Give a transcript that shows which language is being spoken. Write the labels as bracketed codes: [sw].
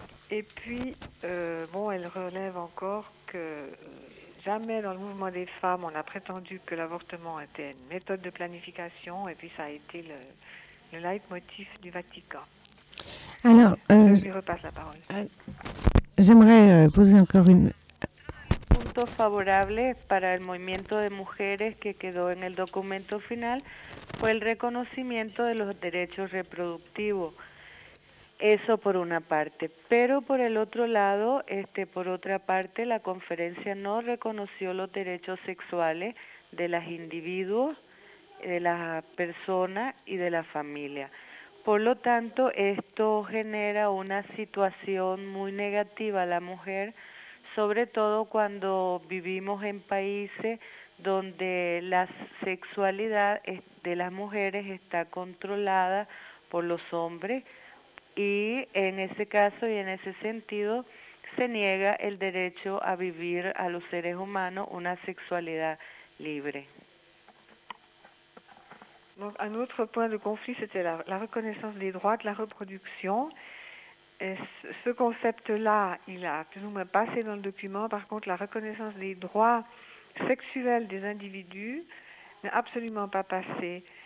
[fr] Et puis, elle relève encore que jamais dans le mouvement des femmes, on a prétendu que l'avortement était une méthode de planification, et puis ça a été le leitmotiv du Vatican. Alors, je lui repasse la parole. J'aimerais poser encore une... [es] Puntos favorables para el movimiento de mujeres que quedó en el documento final fue el reconocimiento de los derechos reproductivos. Eso por una parte. Pero por el otro lado, por otra parte, la conferencia no reconoció los derechos sexuales de las individuos, de las personas y de la familia. Por lo tanto, esto genera una situación muy negativa a la mujer, sobre todo cuando vivimos en países donde la sexualidad de las mujeres está controlada por los hombres y en ese caso y en ese sentido se niega el derecho a vivir a los seres humanos una sexualidad libre. [fr] Donc, un autre point de conflit, c'était la reconnaissance des droits de la reproduction. Et ce concept-là, il a plus ou moins passé dans le document. Par contre, la reconnaissance des droits sexuels des individus n'est absolument pas passé.